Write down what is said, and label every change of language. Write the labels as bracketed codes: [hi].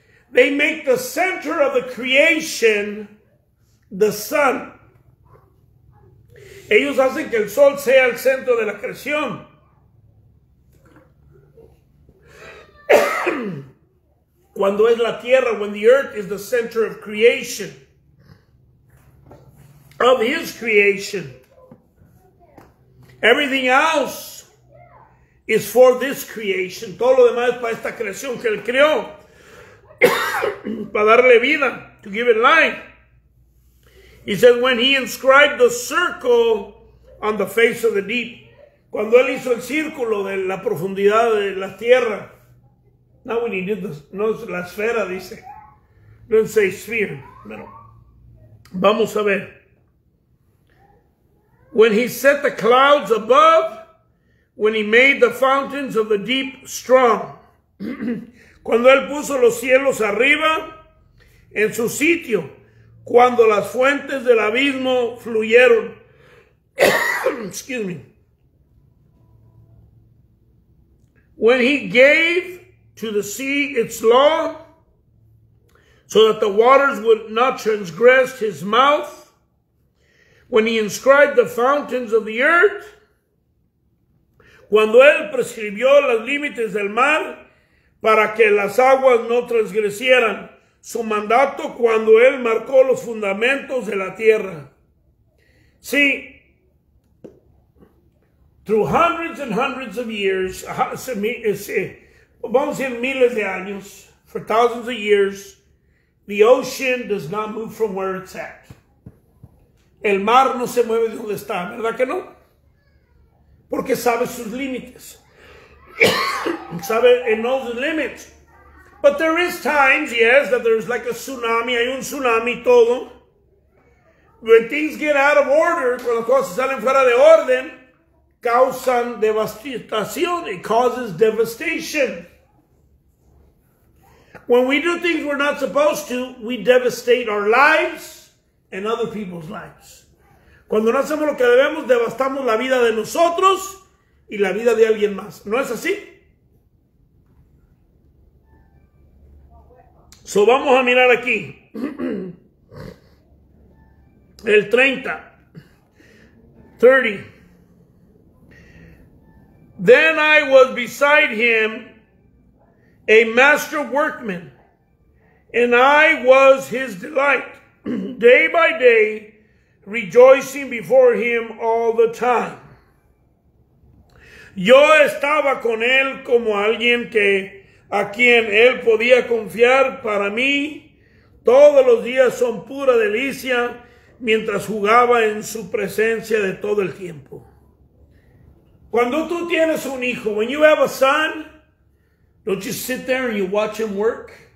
[en] They make the center of the creation the sun. [es] Ellos hacen que el sol sea el centro de la creación. Cuando es la tierra, [en] when the earth is the center of creation. Of his creation. Everything else is for this creation. [es] Todo lo demás es para esta creación que él creó. Para darle vida. [en] To give it life. He said, when he inscribed the circle on the face of the deep. [es] Cuando él hizo el círculo de la profundidad de la tierra. [en] Now when he did the, no, [es] la esfera, dice. [en] Don't say sphere. [es] Pero vamos a ver. [en] When he set the clouds above, when he made the fountains of the deep strong. [es] Cuando él puso los cielos arriba en su sitio, cuando las fuentes del abismo fluyeron. [en] Excuse me. When he gave to the sea its law, so that the waters would not transgress his mouth. When he inscribed the fountains of the earth, [es] cuando él prescribió los límites del mar para que las aguas no transgresieran su mandato, cuando él marcó los fundamentos de la tierra. [en] See, through hundreds and hundreds of years, [es] vamos a decir miles de años, [en] for thousands of years, the ocean does not move from where it's at. [es] El mar no se mueve de donde está, ¿verdad que no? Porque sabe sus límites. Sabe, [en] it knows the limits. But there is times, yes, that there's like a tsunami, [es] hay un tsunami todo. [en] When things get out of order, [es] cuando las cosas salen fuera de orden, causan devastación, [en] it causes devastation. When we do things we're not supposed to, we devastate our lives and other people's lives. [es] Cuando no hacemos lo que debemos, devastamos la vida de nosotros y la vida de alguien más. ¿No es así? So, vamos a mirar aquí. El 30. 30. [en] Then I was beside him, a master workman, and I was his delight, day by day, rejoicing before him all the time. [es] Yo estaba con él como alguien que a quien él podía confiar. Para mí, todos los días son pura delicia mientras jugaba en su presencia de todo el tiempo. Cuando tú tienes un hijo, [en] when you have a son, don't you sit there and you watch him work?